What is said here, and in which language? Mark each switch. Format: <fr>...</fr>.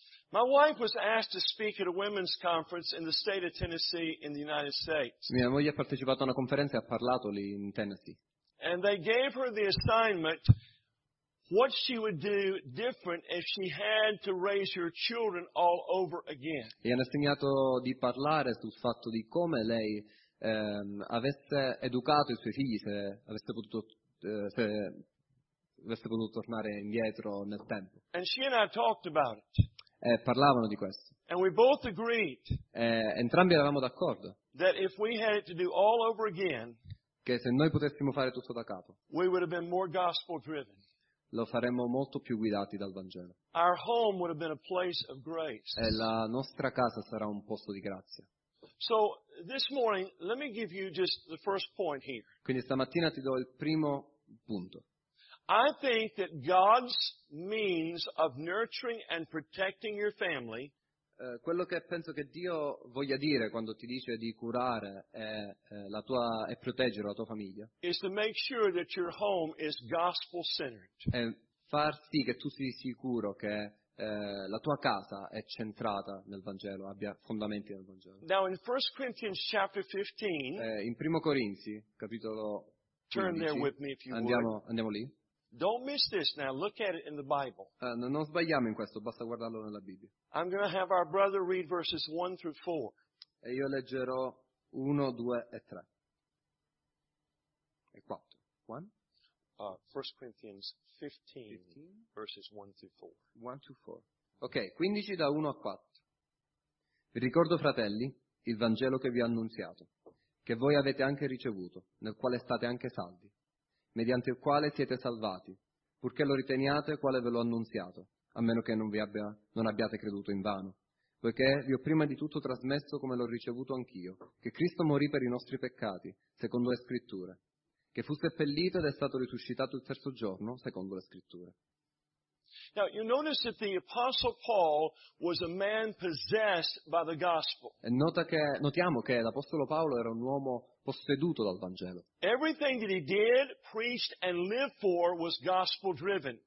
<en>My wife was asked to speak at a women's conference in the state of Tennessee in the United States.</en> <it>Mia moglie ha partecipato a una conferenza e ha parlato lì in Tennessee.</it> <en>And they gave her the assignment what she would do different if she had to raise her children all over again.</en> <it>E hanno assegnato di parlare sul fatto di come lei avesse educato i suoi figli se avesse potuto tornare indietro nel tempo.</it> <en>And she and I talked about it.</en> <it>E parlavano di questo.</it> <en>And we both agreed.</en> <it>E entrambi eravamo d'accordo.</it> <en>That if we had it to do all over again,</en> <it>che se noi potessimo fare tutto da capo,</it> <en>we would have been more gospel driven.</en> <it>Lo faremmo molto più guidati dal Vangelo.</it> <en>Our home would have been a place of grace.</en> <it>E la nostra casa sarà un posto di grazia.</it> <en>So this morning, let me give you just the first point here.</en> <it>Quindi stamattina ti do il primo punto.</it> <en>I think that God's means of nurturing and protecting your family,</en> <it>quello che penso che Dio voglia dire quando ti dice di curare e proteggere la tua famiglia,</it> <en>is to make sure that your home is gospel-centered.</en> <it>È far sì che tu sii sicuro che la tua casa è centrata nel Vangelo, abbia fondamenti nel Vangelo.</it> <en>Now in 1 Corinthians chapter 15,</en> <it>in 1 Corinzi capitolo 15,</it> <en>turn there with me if you</en> <it>andiamo lì.</it> <en>Don't miss this now. Look at it in the Bible.</en> <it>Non sbagliamo in questo, basta guardarlo nella Bibbia.</it> <en>I'm going to have our brother read verses 1 through 4.</en> <it>E io leggerò 1, 2 e 3. E 4. 1?</it> <en>1 Corinthians 15, verses 1 through 4. 1 through 4.</en> <it>Ok, 15 da 1 a 4. Vi ricordo, fratelli, il Vangelo che vi ho annunziato, che voi avete anche ricevuto, nel quale state anche salvi, mediante il quale siete salvati, purché lo riteniate quale ve l'ho annunziato, a meno che non abbiate creduto in vano. poiché vi ho prima di tutto trasmesso come l'ho ricevuto anch'io, che Cristo morì per i nostri peccati, secondo le Scritture, che fu seppellito ed è stato risuscitato il terzo giorno, secondo le Scritture.</it> <en>Now, you notice that the Apostle Paul was a man possessed by the gospel.</en> <it>Notiamo che l'Apostolo Paolo era un uomo posseduto dal Vangelo.</it> <en>Everything that he did, preached, and lived for was gospel driven.</en>